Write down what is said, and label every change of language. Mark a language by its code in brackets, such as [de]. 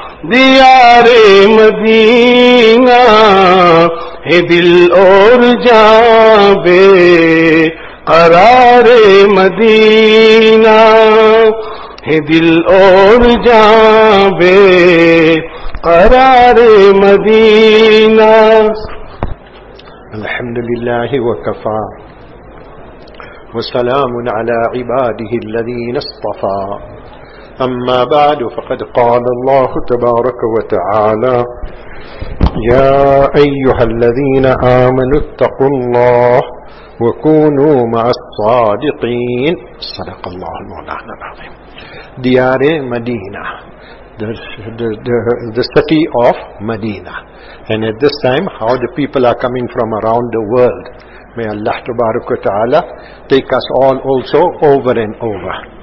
[ur] دیار مدینہ، ہے دل اور جان بے قرار مدینہ، ہے دل اور جان بے قرار مدینہ. [ar] الحمد للہ وکفا وسلام على عباده الذين اصطفى، أما بعد فقد قال الله تبارك وتعالى: يا أيها الذين آمنوا اتقوا الله وكونوا مع الصادقين. صدق الله مولانا العظيم. ديار مدينة، [en] the city of Medina. And at this time how the people are coming from around the world. May Allah tabarak wa ta'ala take us all also over and over.